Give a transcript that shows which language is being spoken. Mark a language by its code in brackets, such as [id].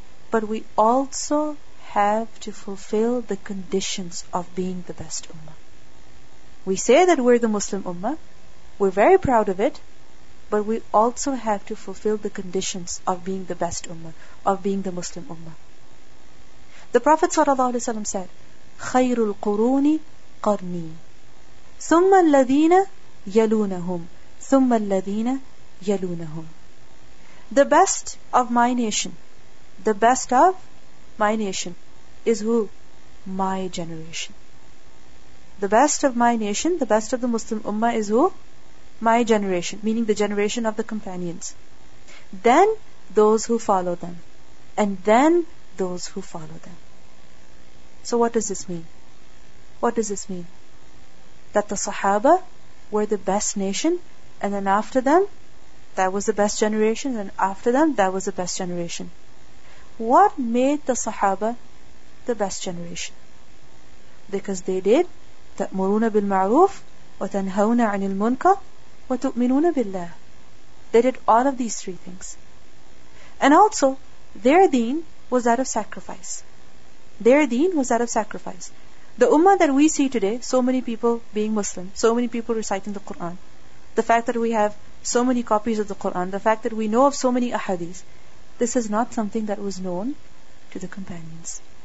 [en] But we also have to fulfill the conditions of being the best ummah. We say that we're the Muslim ummah, we're very proud of it, but we also have to fulfill the conditions of being the best ummah, of being the Muslim ummah. The Prophet ﷺ said, [ar] خَيْرُ الْقُرُونِ قَرْنِي ثُمَّ الَّذِينَ يَلُونَهُمْ ثُمَّ الَّذِينَ يَلُونَهُمْ. [en] The best of my nation, the best of my nation is who? My generation. The best of my nation, the best of the Muslim Ummah is who? My generation, meaning the generation of the companions. Then those who follow them. And then those who follow them. So what does this mean? What does this mean? That the Sahaba were the best nation, and then after them, that was the best generation, and after them, that was the best generation. What made the Sahaba the best generation? Because they did [ar] تأمرون بالمعروف وتنهون عن المنكر وتؤمنون بالله. [en] They did all of these three things. And also, their deen was that of sacrifice. Their deen was that of sacrifice. The ummah that we see today, so many people being Muslim, so many people reciting the Quran, the fact that we have so many copies of the Quran, the fact that we know of so many ahadith, this is not something that was known to the companions.